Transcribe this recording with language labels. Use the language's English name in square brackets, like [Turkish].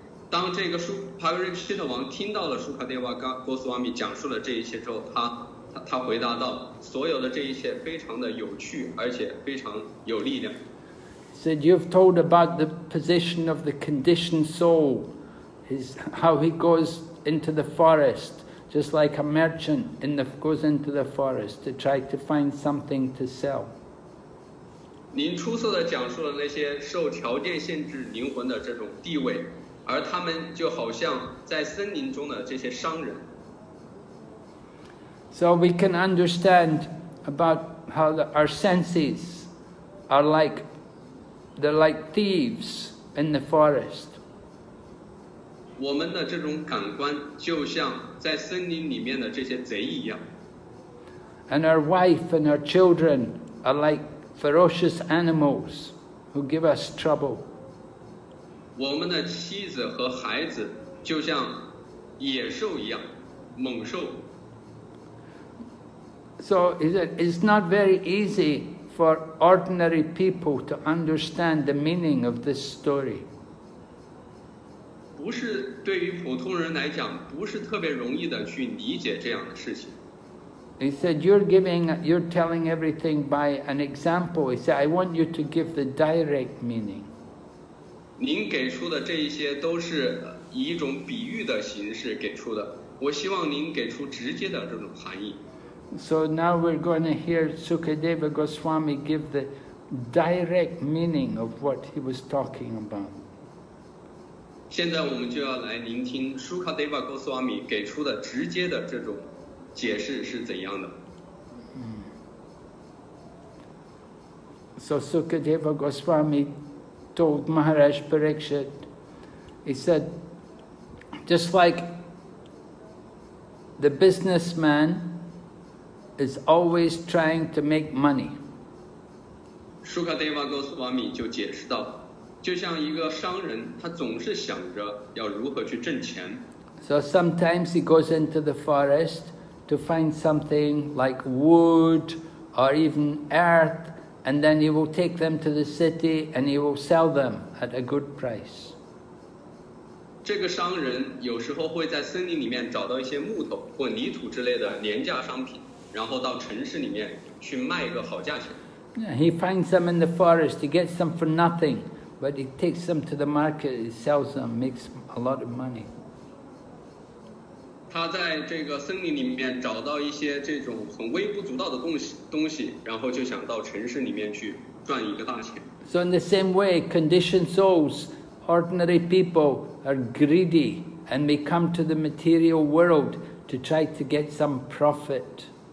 [Chinese] 当这个 Parikshita 王听到了 Sukadeva Goswami 讲述的这一切之后，他回答道，所有的这一切非常的有趣，而且非常有力量。 [English] Said, you've told about the position of the conditioned soul. Is how he goes into the forest, just like a merchant goes into the forest to try to find something to sell. [Chinese] 您出色地讲述了那些受条件限制灵魂的这种地位，而他们就好像在森林中的这些商人。 [English] So we can understand about how our senses are like, they're like thieves in the forest. [Chinese] 我们的这种感官就像在森林里面的这些贼一样。 [English] And our wife and our children are like ferocious animals who give us trouble. [Chinese] 我们的妻子和孩子就像野兽一样，猛兽。 [English] So he said, it's not very easy for ordinary people to understand the meaning of this story. [Chinese] 不是对于普通人来讲，不是特别容易的去理解这样的事情。 [English] He said, you're telling everything by an example. He said, I want you to give the direct meaning. [Chinese] 您给出的这一些都是以一种比喻的形式给出的。我希望您给出直接的这种含义。 [English] So now we're going to hear Sukadeva Goswami give the direct meaning of what he was talking about. [Chinese] 现在我们就要来聆听 Sukadeva Goswami 给出的直接的这种解释是怎样的。 [English] So Sukadeva Goswami told Maharaj Parikshit, he said, just like the businessman is always trying to make money. [Chinese] Sukadeva Goswami 就解释到，就像一个商人，他总是想着要如何去挣钱。 [English] So sometimes he goes into the forest to find something like wood or even earth, and then he will take them to the city and he will sell them at a good price. [Chinese] 这个商人有时候会在森林里面找到一些木头或泥土之类的廉价商品。然后到城市里面去卖一个好价钱。 [English] Yeah, he finds them in the forest, he gets them for nothing, but he takes them to the market, he sells them, makes a lot of money. [Chinese] 他在这个森林里面找到一些这种很微不足道的东西，然后就想到城市里面去赚一个大钱。 [English] So in the same way, conditioned souls, ordinary people are greedy and they come to the material world to try to get some profit.